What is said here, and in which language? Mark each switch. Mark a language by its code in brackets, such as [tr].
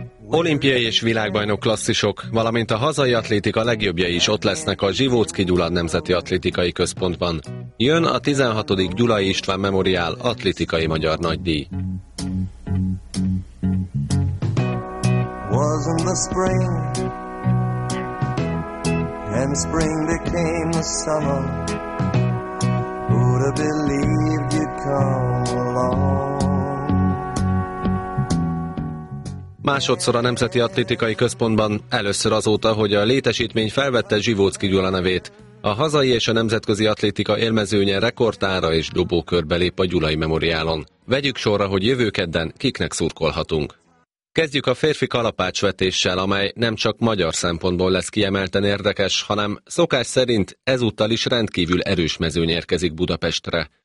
[hu] Olimpiai és világbajnok klasszisok, valamint a hazai atlétika legjobbjai is ott lesznek a Zsivócki Gyulad Nemzeti Atlétikai Központban. Jön a 16. Gyulai István Memorial atlétikai magyar nagydíj. [en] Was in the spring, and spring became the summer. Who'd have believed you'd come along? [hu] Másodszor a Nemzeti Atlétikai Központban, először azóta, hogy a létesítmény felvette Zsivócki Gyula nevét. A hazai és a nemzetközi atlétika élmezőnye rekordára és dobókörbe lép a Gyulai Memoriálon. Vegyük sorra, hogy jövő kedden kiknek szurkolhatunk. Kezdjük a férfi kalapácsvetéssel, amely nem csak magyar szempontból lesz kiemelten érdekes, hanem szokás szerint ezúttal is rendkívül erős mezőny érkezik Budapestre.